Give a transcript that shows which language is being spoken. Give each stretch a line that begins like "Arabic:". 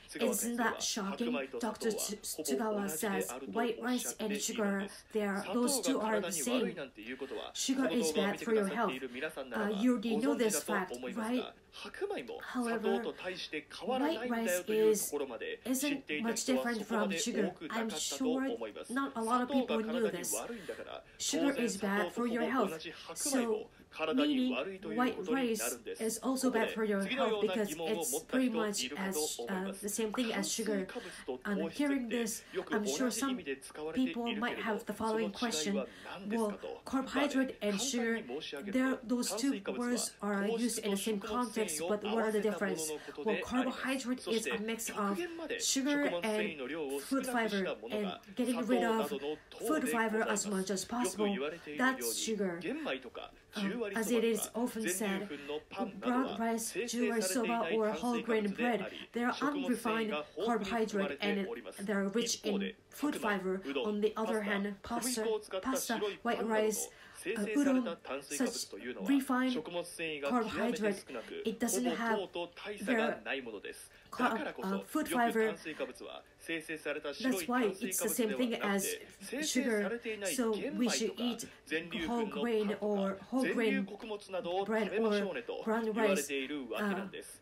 English: Isn't that shocking? Dr. Tsugawa says white rice and sugar, those two are the same. Sugar is bad for your health. You already know this fact, right?
Japanese: 白米も砂糖と対して変わらないんだよというところまで知っていた人はそこまで多くなかったと思います。砂糖が体に悪いんだから、当然砂糖とほぼ同じ白米も体に悪いということになるんです。ここで次のような疑問を持った人いるかと思います。炭水化物と糖質ってよく同じ意味で使われているけれども、その違いは何ですかと。まあね、簡単に申し上げると炭水化物は糖質と糖質
English: But what are the difference? Well, carbohydrate is a mix of sugar and food fiber, and getting rid of food fiber as much as possible, that's sugar. As it is often said, brown rice, jewel soba, or whole grain bread, they are unrefined carbohydrate and they are rich in food fiber. On the other hand, pasta, white rice,
Japanese: 生成された炭水化物というのは食物繊維が極めて少なく、ほぼ糖と大差がないものです。だからこそよく炭水化物は生成された白い炭水化物ではなくて、生成されていない玄米とか全粒粉のパンとか全粒穀物などを食べましょうねと言われているわけなんです。